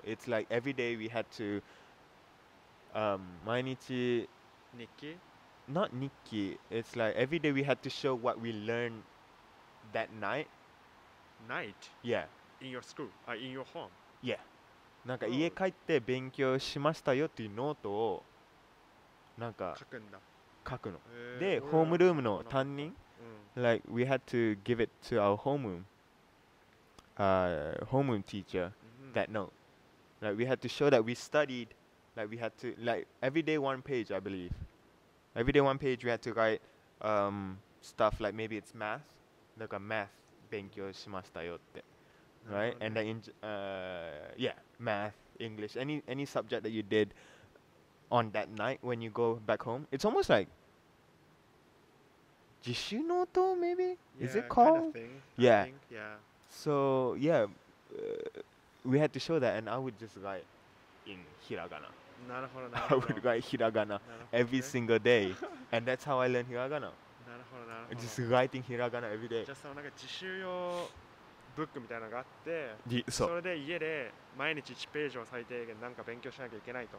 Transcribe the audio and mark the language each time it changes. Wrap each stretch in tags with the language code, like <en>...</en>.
<en>It's like every day we had to, 毎日</en> <ja>日記?</ja> <en>Not 日記. It's like every day we had to show what we learned that night. Night? Yeah. In your school? In your home? Yeah.</en> <ja>なんか家帰って勉強しましたよっていうノートをなんか書くんだ。書くの。で、ホームルームの担任、</ja> <en>like we had to give it to our homeroom. Homeroom teacher、mm-hmm. that note. Like, we had to show that we studied, like, we had to, like, every day one page, I believe. Every day one page, we had to write、stuff, like, maybe it's math. Like, a math</en> <ja>勉強しましたよって</ja> <en>Right? And then, yeah, math, English, any subject that you did on that night when you go back home. It's almost like, 自習ノート maybe? Yeah, Is it called? Kind of thing, yeah. I think, yeah. So, yeah, we had to show that, and I would just write in hiragana.</en> <ja>なるほど、なるほど。</ja> <en>I would write hiragana every single day, and that's how I learned hiragana.</en> <ja>なるほど、なるほど。</ja> <en>Just writing hiragana every day.</en> <ja>じゃあ、そのなんか自習用ブックみたいなのがあって、そう。それで家で毎日1ページを最低限なんか勉強しなきゃいけないと。</ja>